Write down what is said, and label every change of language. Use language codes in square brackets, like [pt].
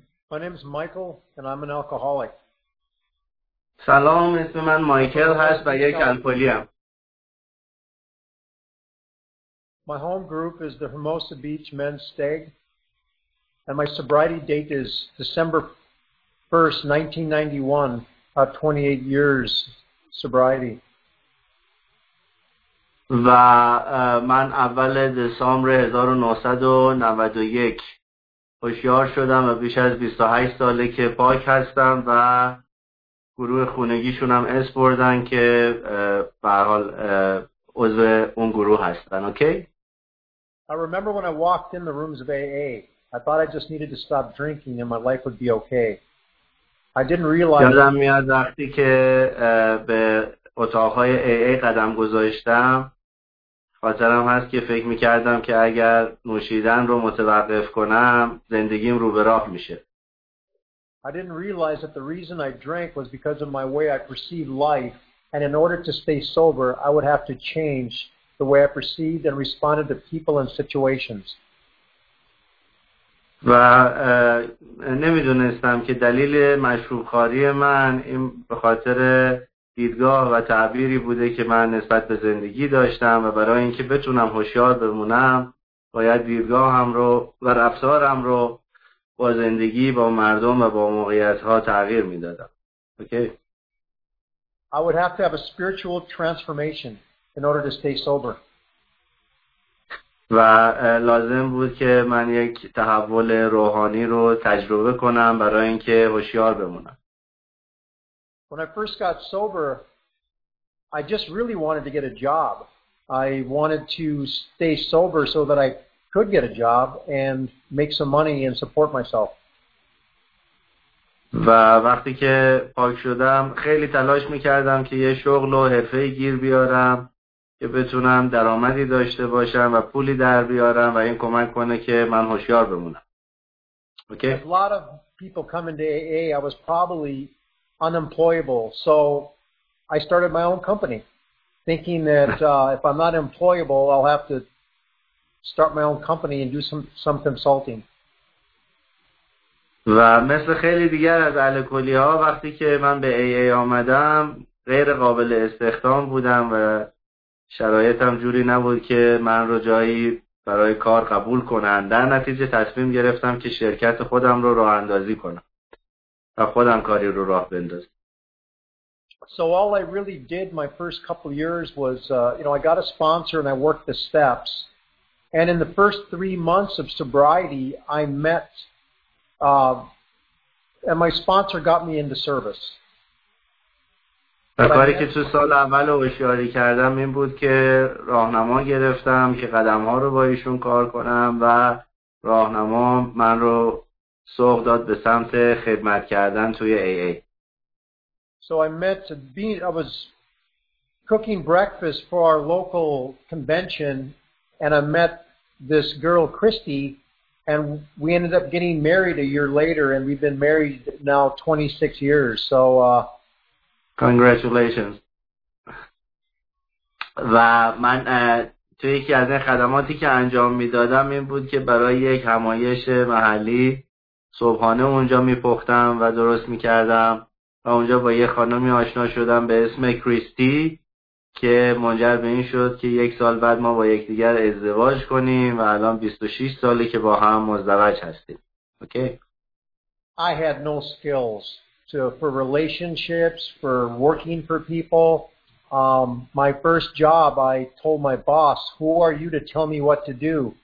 [en] My name is Michael and I'm an alcoholic. [fa] سلام، اسم من مایکل هست و یک الکلی ام. [en] My home group is the Hermosa Beach Men's Stag. And my sobriety date is December 1st, 1991, of 28 years sobriety. [fa] و من اول دسامبر 1991 هوشیار شدم و بیش از 28 ساله که پاک هستم و گروه خونگیشون هم اس بردن که به هر حال عضو اون گروه هستن. اوکی؟ [en] I remember when I walked in the rooms of AA. I thought I just needed to stop drinking and my life would be okay. I didn't realize. [fa] یادم میاد وقتی که به اتاقهای AA قدم گذاشتم، خاطرم هست که فکر میکردم که اگر نوشیدن رو متوقف کنم زندگیم رو به راه میشه. [en] I didn't realize that the reason I drank was because of my way I perceived life, and in order to stay sober, I would have to change the way I perceived and responded to people and situations. [fa] و نمیدونستم که دلیل مشروبخواری من این به خاطر دیدگاه و تعبیری بوده که من نسبت به زندگی داشتم و برای اینکه بتونم هوشیار بمونم باید دیدگاهم رو و رفتارم رو با زندگی، با مردم و با موقعیت‌ها تغییر میدادم. اوکی. [en] I would have to have a spiritual transformation in order to stay sober. [fa] و لازم بود که من یک تحول روحانی رو تجربه کنم برای اینکه هوشیار بمونم. [en] When I first got sober, I just really wanted to get a job. I wanted to stay sober so that I could get a job and make some money and support myself. [fa] و وقتی که پاک شدم خیلی تلاش میکردم که یه شغل و حرفه گیر بیارم که بتونم درآمدی داشته باشم و پولی در بیارم و این کمک کنه که من هوشیار بمونم. [en] Okay. If a lot of people come into AA, I was probably unemployable. So I started my own company, thinking that if I'm not employable, I'll have to start my own company and do some consulting. [fa] و مثل خیلی دیگر از الکلی‌ها وقتی که من به AA آمدم غیر قابل استخدام بودم و شرایطم جوری نبود که من رو جایی برای کار قبول کنن. در نتیجه تصمیم گرفتم که شرکت خودم رو راه اندازی کنم و خودم کاری رو راه بندازم. [en] So all I really did my first couple years was I got a sponsor and I worked the steps, and in the first 3 months of sobriety I met and my sponsor got me into service. و کاری که تو سال اول هوشیاری کردم این بود که راهنما گرفتم که قدم‌ها رو با ایشون کار کنم و راهنما من رو سوق داد به سمت خدمت کردن توی AA. So I met I was cooking breakfast for our local convention and I met this girl Christy and we ended up getting married a year later and we've been married now 26 years. So Congratulations. [fa] و من توی یکی از این خدماتی که انجام میدادم این بود که برای یک همایش محلی صبحانه اونجا میپختم و درست میکردم و اونجا با یک خانمی آشنا شدم به اسم کریستی که منجر به این شد که یک سال بعد ما با یکدیگر ازدواج کنیم و الان 26 سالی که با هم مزدوج هستیم. [en] Okay. I had no skills for relationships, for working for people. My first job, I told my boss, who are you to tell me what to do?